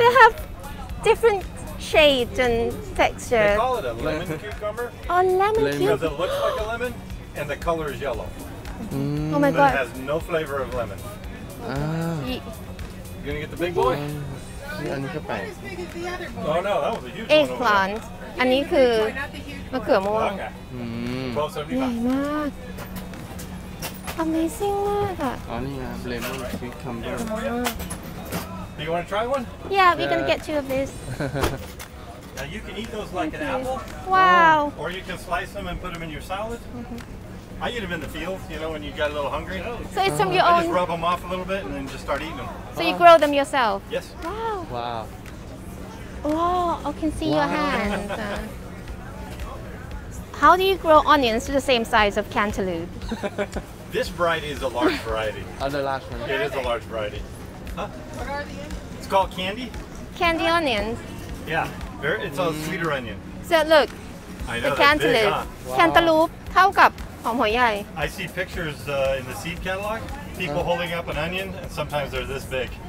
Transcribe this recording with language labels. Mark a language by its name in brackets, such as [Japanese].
[English] They have different shades and texture. They call it a lemon cucumber. Oh, lemon cucumber. Because it looks like a lemon and the color is yellow. Mm. Oh my god. But it has no flavor of lemon. You're gonna get the big boy? [Thai] อันนี้ก็แปล [English] ก Oh no, that was a huge one. Eggplant. [Thai] อันนี้คือมะเขือม่วงใหญ่มาก Amazing มากอ่ะ อ๋อนี่ไง Lemon cucumber. [English] Do you want to try one? Yeah, we're gonna get two of this. Now you can eat those like an apple. Wow. Or you can slice them and put them in your salad. I eat them in the fields, you know, when you get a little hungry. So it's from your own? I just rub them off a little bit and then just start eating them. So you grow them yourself? Yes. Wow. Wow. Oh, I can see your hands. How do you grow onions to the same size of cantaloupe? This variety is a large variety. Oh, the last one. It is a large variety. What are the onions? It's called candy. Candy onions? Yeah. It's a sweeter onion. So look. The cantaloupe. [Thai] Cantaloupe เท่ากับหอมหัวใหญ่ [English] I see pictures in the seed catalog. People holding up an onion, and sometimes they're this big.